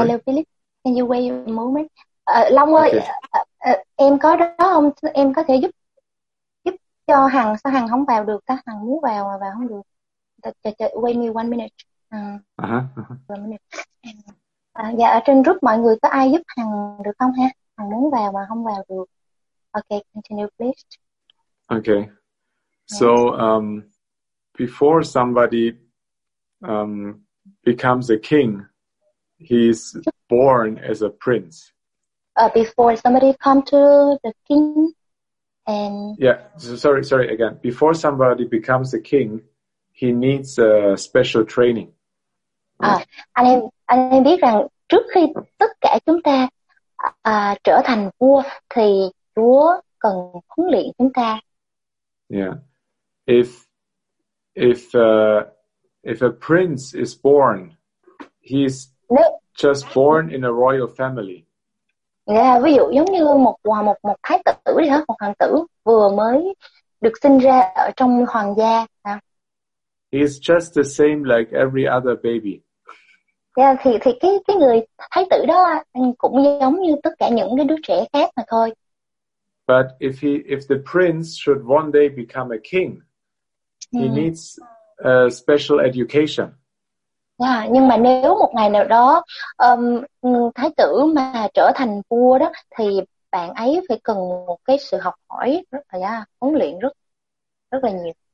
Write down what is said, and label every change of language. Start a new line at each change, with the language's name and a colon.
English: Hello Philip, can you wait a moment?
Vietnamese: Long ơi, okay. Em có đó không? Em có thể giúp cho Hằng, sao Hằng không vào được ta? Hằng muốn vào mà vào không được.
English: Wait me one minute. One minute.
Vietnamese: Dạ, ở trên group mọi người có ai giúp Hằng được không ha? Hằng muốn vào mà không vào được.
English: Okay, continue please. Okay. So before somebody becomes a king, he's born as a prince. Before somebody come to the king and... Yeah, sorry again. Before somebody becomes a king, he needs a special training.
Vietnamese: Anh em biết rằng trước khi tất cả chúng ta trở thành vua thì Chúa cần huấn luyện chúng ta. Yeah.
English: If a prince is born, he's just born in a royal family.
Vietnamese: Yeah, ví dụ giống như một thái tử đi hả, một hoàng tử vừa mới được sinh ra ở trong hoàng gia.
English: He's just the same like every other baby.
Vietnamese: Yeah, thì cái người thái tử đó cũng giống như tất cả những cái đứa trẻ khác mà thôi.
English: But if the prince should one day become a king, he needs a special education.
Vietnamese: Yeah, nhưng mà nếu một ngày nào đó thái tử mà trở thành vua đó thì bạn ấy phải cần một cái sự học hỏi rất là huấn luyện rất là nhiều.